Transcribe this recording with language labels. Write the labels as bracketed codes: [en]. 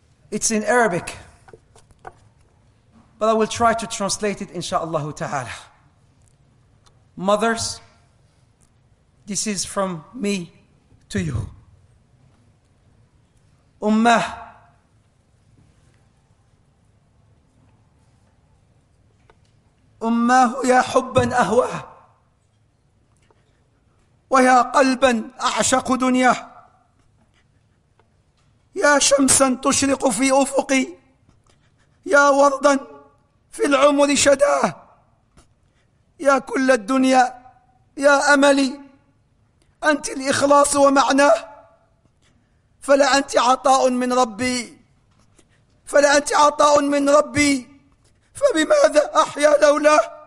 [en] It's in Arabic, but I will try to translate it, inshallah ta'ala. Mothers, this is from me to you. [ar] Ummah, Ummah, ya hubban ahwa, wa ya qalban a'shaqu dunya. يا شمسا تشرق في أفقي يا وردا في العمر شداه يا كل الدنيا يا أملي أنت الإخلاص ومعناه فلأنت عطاء من ربي فلأنت عطاء من ربي فبماذا أحيا لولاه